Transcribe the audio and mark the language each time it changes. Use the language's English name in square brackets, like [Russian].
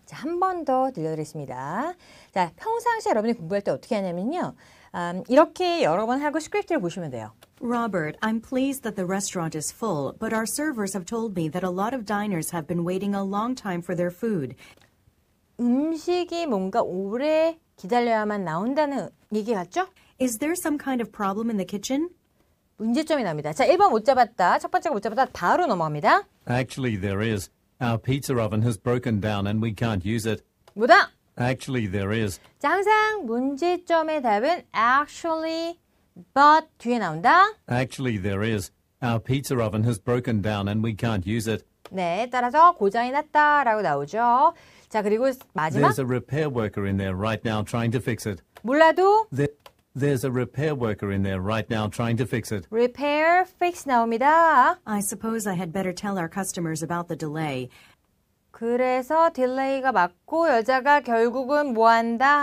[Korean] 자, 한 번 더 들려드리겠습니다. 자, 평상시에 여러분이 공부할 때 어떻게 하냐면요. 이렇게 여러 번 하고 스크립트를 보시면 돼요. [English] Robert, I'm pleased that the restaurant is full, but our servers have told me that a lot of diners have been waiting a long time for their food. [Korean] 음식이 뭔가 오래 기다려야만 나온다는 얘기 같죠? [English] Is there some kind of problem in the kitchen? [Korean] 문제점이 납니다. 자, 1번 못 잡았다. 첫 번째가 못 잡았다. 바로 넘어갑니다. [English] Actually, there is. Our pizza oven has broken down and we can't use it. [Korean] 뭐다? [English] Actually, there is. [Korean] 자, 항상 문제점의 답은 actually, but 뒤에 나온다. [English] Actually, there is. Our pizza oven has broken down and we can't use it. [Korean] 네, 따라서 고장이 났다라고 나오죠. 자, 그리고 마지막. [English] There's a repair worker in there right now trying to fix it. [Korean] 몰라도? [English] There's a repair worker in there right now trying to fix it. [Korean] Repair, fix 나옵니다. [English] I suppose I had better tell our customers about the delay. [Korean] 그래서 딜레이가 맞고 여자가 결국은 뭐 한다?